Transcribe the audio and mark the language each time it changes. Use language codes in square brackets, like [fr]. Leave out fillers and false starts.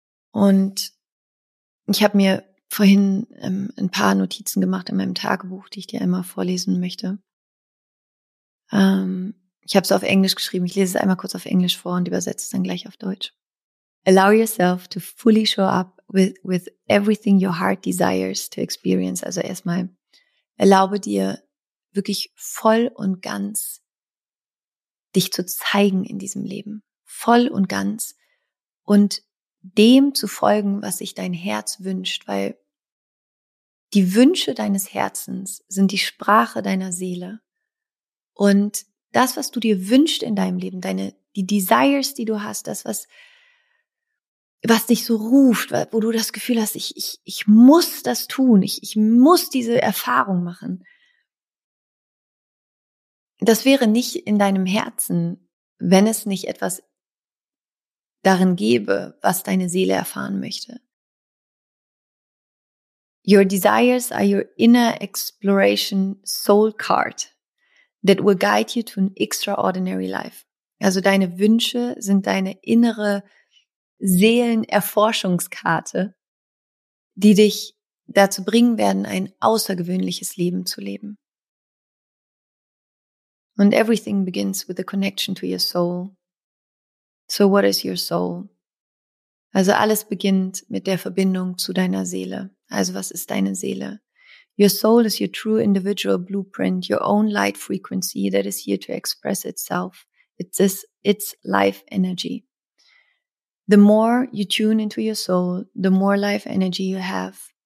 [de] Und ich habe mir vorhin ein paar Notizen gemacht in meinem Tagebuch, die ich dir einmal vorlesen möchte. Ich habe es auf Englisch geschrieben. Ich lese es einmal kurz auf Englisch vor und übersetze es dann gleich auf Deutsch. [en] Allow yourself to fully show up with everything your heart desires to experience. [de] Also erstmal erlaube dir wirklich voll und ganz dich zu zeigen in diesem Leben. Voll und ganz. Und dem zu folgen, was sich dein Herz wünscht, weil die Wünsche deines Herzens sind die Sprache deiner Seele. Und das, was du dir wünschst in deinem Leben, die Desires, die du hast, das, was dich so ruft, wo du das Gefühl hast, ich muss das tun, ich muss diese Erfahrung machen. Das wäre nicht in deinem Herzen, wenn es nicht etwas darin gebe, was deine Seele erfahren möchte. [en] Your desires are your inner exploration soul card that will guide you to an extraordinary life. [de] Also deine Wünsche sind deine innere Seelenerforschungskarte, die dich dazu bringen werden, ein außergewöhnliches Leben zu leben. [en] And everything begins with a connection to your soul. So what is your soul? [de] Also alles beginnt mit der Verbindung zu deiner Seele. Also was ist deine Seele? [en] Your soul is your true individual blueprint, your own light frequency that is here to express itself. It's life energy. The more you tune into your soul, the more life energy you have.